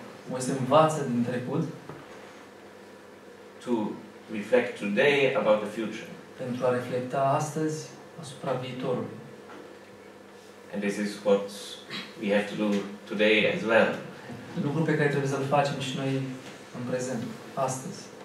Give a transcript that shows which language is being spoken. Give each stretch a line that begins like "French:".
Romanian: Moise învață din trecut
English: to reflect today about the future.
Romanian: Pentru a reflecta astăzi asupra viitorului.
English: And this is what we have to do today as well.
Romanian: Lucru pe care trebuie să-l facem și noi în prezent, astăzi.